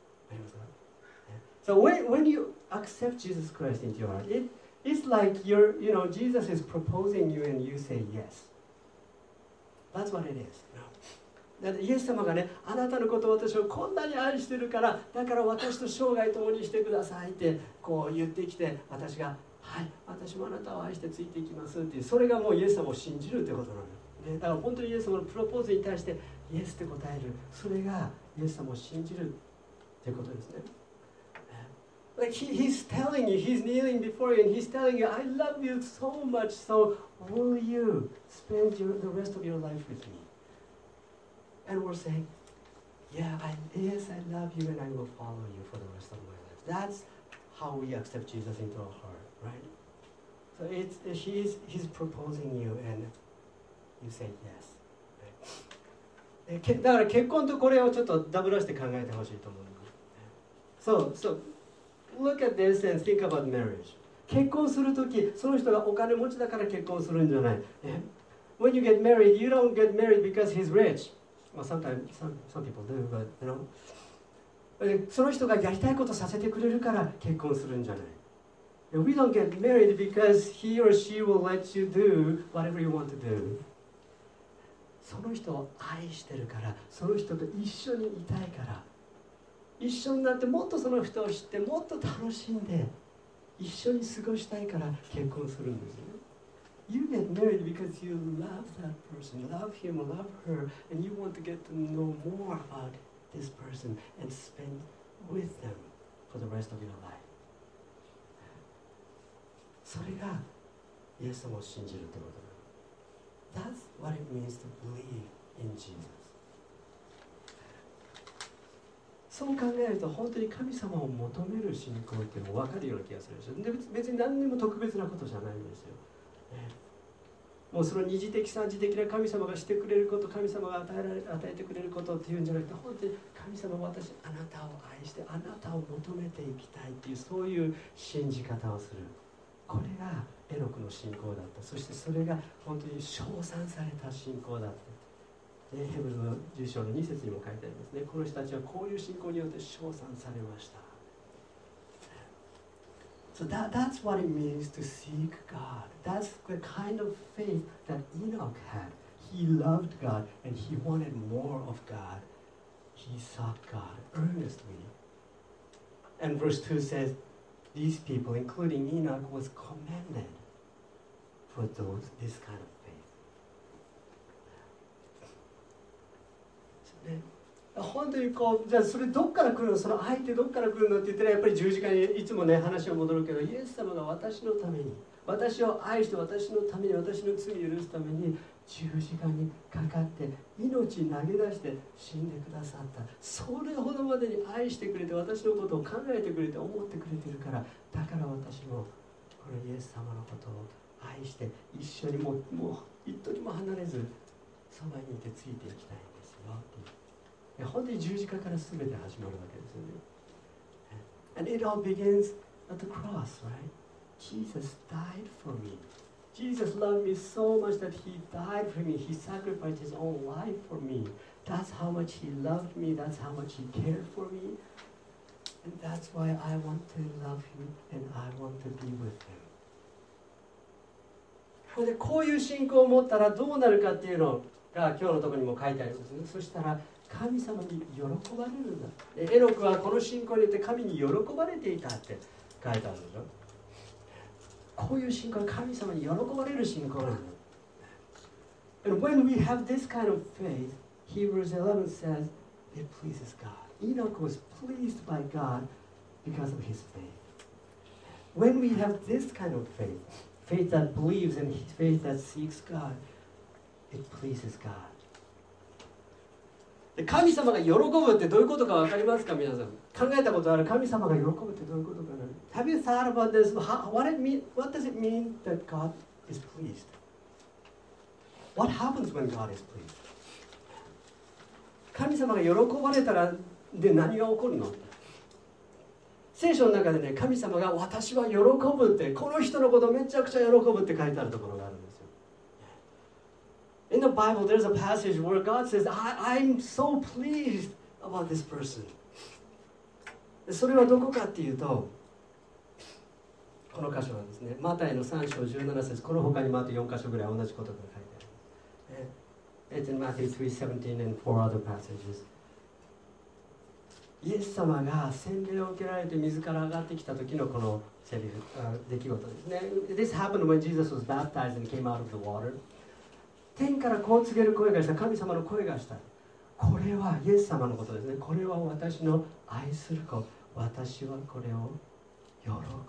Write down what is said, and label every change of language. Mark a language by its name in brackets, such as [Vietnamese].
[Japanese] わかりますか？ [English] So when you accept Jesus Christ into your heart, it's like you're, you know, Jesus is proposing you and you say yes. That's what it is. [Japanese] だってイエス様がね、あなたのことを私をこんなに愛してるから、だから私と生涯共にしてくださいってこう言ってきて、私がはい、私もあなたを愛してついていきますっていう、それがもうイエス様を信じるってことなの。ね、だから本当にイエス様のプロポーズに対してイエスって答える、それがイエス様を信じるってことですね。 [English] Like he's telling you, he's kneeling before you, and he's telling you, I love you so much, so will you spend the rest of your life with me? And we're saying, yes, I love you, and I will follow you for the rest of my life. That's how we accept Jesus into our heart, right? So he's proposing you, and you say yes. [Japanese] だから結婚とこれをちょっとダブらして考えてほしいと思う。 [English] So,Look at this and think about marriage. [Japanese] 結婚するとき、その人がお金持ちだから結婚するんじゃない。 [English] Yeah? When you get married, you don't get married because he's rich. Well, sometimes some people do, but you know. [Japanese] その人がやりたいことさせてくれるから結婚するんじゃない。 [English] We don't get married because he or she will let you do whatever you want to do. [Japanese] その人を愛してるから、その人と一緒にいたいから。一緒になってもっとその人を知ってもっと楽しんで一緒に過ごしたいから結婚するんですよ。 [English] You get married because you love that person, love him, love her, and you want to get to know more about this person and spend with them for the rest of your life. [Japanese] それがイエス様を信じるということだ。 [English] That's what it means to believe in Jesus. [Japanese] そう考えると本当に神様を求める信仰っていうのが分かるような気がするでしょ。で別に何にも特別なことじゃないんですよ、ね、もうその二次的三次的な神様がしてくれること、神様が与えてくれることっていうんじゃなくて、本当に神様は私あなたを愛してあなたを求めていきたいっていうそういう信じ方をする、これがエノクの信仰だった。そしてそれが本当に称賛された信仰だった。ヘブルの10章の2節にも書いてありますね。この人たちはこういう信仰によって称賛されました。 [English] So that's what it means to seek God. That's the kind of faith that Enoch had. He loved God and he wanted more of God. He sought God earnestly. And verse 2 says, these people, including Enoch, was commended for those this kind of faith. [Japanese] 本当にこう、じゃあそれどっから来るの、その愛ってどっから来るのって言ったら、やっぱり十字架にいつもね話を戻るけど、イエス様が私のために、私を愛して私のために、私の罪を許すために十字架にかかって命投げ出して死んでくださった、それほどまでに愛してくれて私のことを考えてくれて思ってくれてるから、だから私もこのイエス様のことを愛して一緒にもう一時も離れずそばにいてついていきたい。本当に十字架から全て始まるわけですよね。 [English] And it all begins at the cross, right? Jesus died for me. Jesus loved me so much that he died for me. He sacrificed his own life for me. That's how much he loved me. That's how much he cared for me. And that's why I want to love him and I want to be with him. [Japanese] でこういう信仰を持ったらどうなるかっていうのが今日のところにも書いてあります、ね、そしたら神様に喜ばれるんだ。でエノクはこの信仰によって神に喜ばれていたって書いてあるんですよ。こういう信仰は神様に喜ばれる信仰なんだ。 [English] And when we have this kind of faith, Hebrews 11 says it pleases God. Enoch was pleased by God because of his faith. When we have this kind of faith,Faith that believes and faith that seeks God, it pleases God. [Japanese] で神様が喜ぶってどういうことかわかりますか皆さん。考えたことある神様が喜ぶってどういうことかな。 [English] Have you thought about this? What does it mean that God is pleased? What happens when God is pleased? [Japanese] 神様が喜ばれたらで何が起こるの。聖書の中でね、神様が私は喜ぶって、この人のことめちゃくちゃ喜ぶって書いてあるところがあるんですよ。 [English] In the Bible, there's a passage where God says, I'm so pleased about this person. [Japanese] それはどこかっていうと、この箇所なんですね。マタイの3章17節、この他にもあと4箇所ぐらい同じことが書いてある。 [English] It's in Matthew 3:17 and four other passages. [Japanese] イエス様が洗礼を受けられて水から上がってきた時のこのセリフ、出来事ですね。 [English] This happened when Jesus was baptized and came out of the water. [Japanese] 天からこう告げる声がした、神様の声がした。これはイエス様のことですね。これは私の愛する子、私はこれを喜ぶって書いてある。